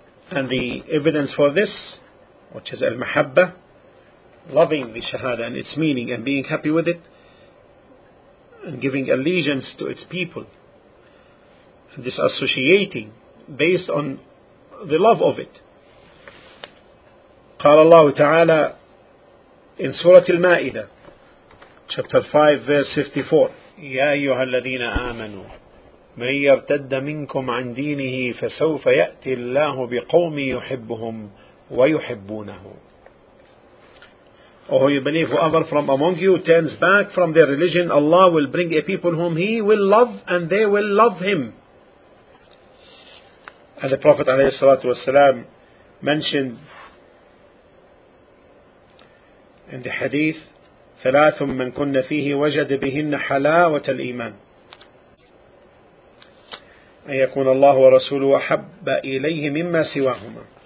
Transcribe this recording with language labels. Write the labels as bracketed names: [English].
[English] And the evidence for this, which is al-mahabba, loving the Shahada and its meaning, and being happy with it, and giving allegiance to its people, and disassociating based on the love of it. [Arabic] قال الله تعالى in سورة المائدة [English] chapter 5 verse 54 [Arabic] يا أيها الذين آمنوا من يرتد منكم عن دينه فسوف يأتي الله بقوم يحبهم ويحبونه. [English] Oh, you believe, whoever from among you turns back from their religion, Allah will bring a people whom he will love and they will love him. And the Prophet عليه الصلاة والسلام mentioned in the hadith, [Arabic] ثَلَاثٌ مَنْ كُنَّ فِيهِ وَجَدَ بِهِنَّ حَلَاوَةَ الْإِيمَانِ أَنْ يَكُونَ اللَّهُ وَرَسُولُهُ أَحَبَّ إِلَيْهِ مِمَّا سِوَاهُمَا.